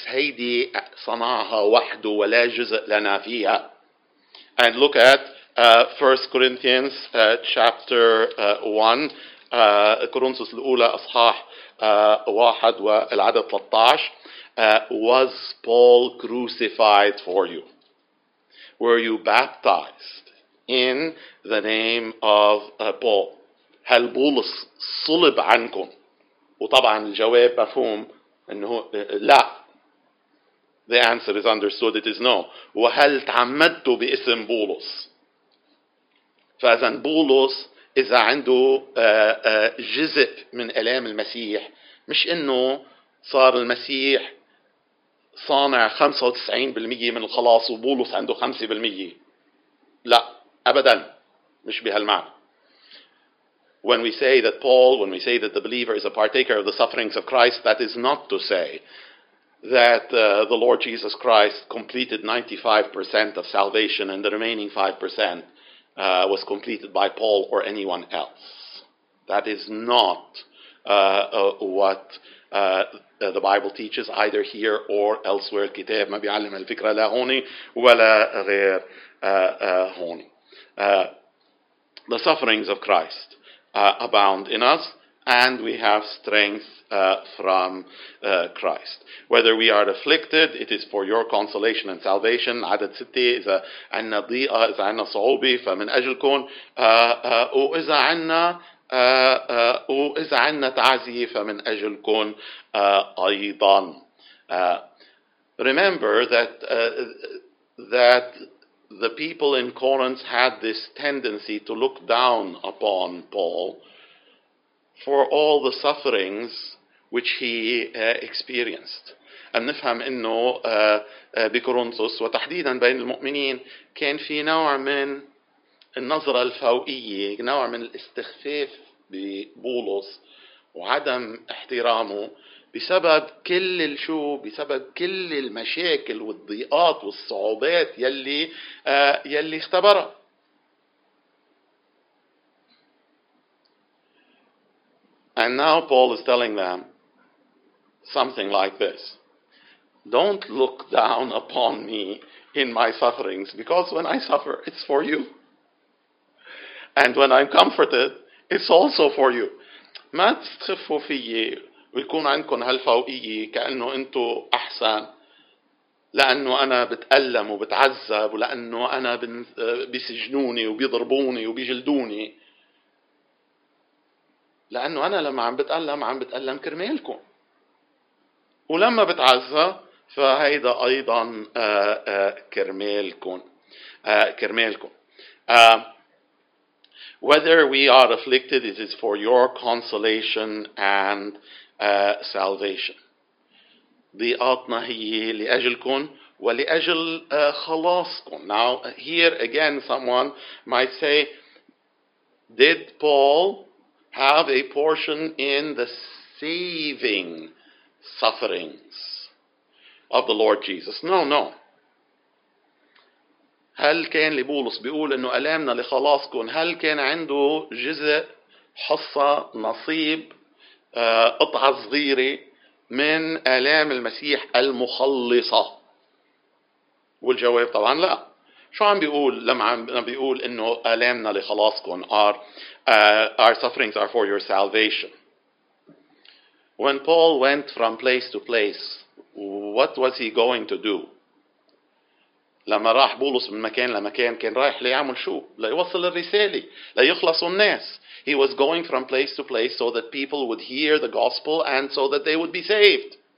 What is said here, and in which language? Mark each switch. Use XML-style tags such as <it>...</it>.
<ar>هيدي صنعها وحده ولا جزء لنا فيها.</ar> <en>And look at 1 Corinthians chapter 1,</en> <ar>كورنثوس الأولى أصحاح 1 والعدد 13.</ar> <en>Was Paul crucified for you? Were you baptized in the name of Paul?</en> <ar>هل بولس صلب عنكم؟ وطبعا الجواب مفهوم انه لا.</ar> <en>The answer is understood, it is no.</en> <ar>وهل تعمدتوا باسم بولس؟ فاذا بولس اذا عنده جزء من الام المسيح مش انه صار المسيح صانع 95% من الخلاص وبولس عنده 5%. لا ابدا مش بهالمعنى.</ar> <en>When we say that Paul, when we say that the believer is a partaker of the sufferings of Christ, that is not to say that the Lord Jesus Christ completed 95% of salvation and the remaining 5% was completed by Paul or anyone else. That is not what the Bible teaches either here or elsewhere.</en> <ar>الكتاب ما بيعلم الفكرة لا هوني ولا غير هوني.</ar> <en>The sufferings of Christ abound in us, and we have strength from Christ. Whether we are afflicted, it is for your consolation and salvation.</en> <ar>عدد ستة إذا عنا ضيقة إذا عنا صعوبة فمن أجلكم وإذا عنا وإذا عنا تعزية فمن أجلكم أيضا.</ar> <en>Remember that the people in Corinth had this tendency to look down upon Paul for all the sufferings which he experienced.</en> <ar>And نفهم إنه بكورنثوس وتحديدا بين المؤمنين كان في نوع من النظرة الفوقية, نوع من الاستخفاف ببولس وعدم احترامه بسبب كل الشو, بسبب كل المشاكل والضيقات والصعوبات يلي اختبرها.</ar> <en>And now Paul is telling them something like this. Don't look down upon me in my sufferings, because when I suffer, it's for you. And when I'm comforted, it's also for you.</en> <ar>ما تستخفوا فيي ويكون عندكم هالفوقية كأنه أنتوا أحسن لأنه أنا بتألم وبتعذب ولأنه أنا بسجنوني وبيضربوني وبيجلدوني, لأنه أنا لما عم بتألم كرمالكم, ولما بتعذب فهيدا أيضا كرمالكم.</ar> <en>Whether we are afflicted, it is for your consolation and salvation.</en> <ar>ضيقاتنا هي لأجلكم ولأجل خلاصكم.</ar> <en>Now, here again, someone might say, did Paul have a portion in the saving sufferings of the Lord Jesus? No.</en> <ar>هل كان لبولس بيقول انه ألامنا لخلاصكم, هل كان عنده جزء, حصة, نصيب, قطعة صغيرة من ألام المسيح المخلصة؟ والجواب طبعا لا. شو عم بيقول لما بيقول انه ألامنا لخلاصكم,</ar> <en>our sufferings are for your salvation. When Paul went from place to place, what was he going to do?</en> <ar>لما راح بولس من مكان لمكان كان رايح ليعمل شو؟ ليوصل الرسالة, ليخلصوا الناس.</ar> <en>He was going from place to place so that people would hear the gospel and so that they would be saved.</en>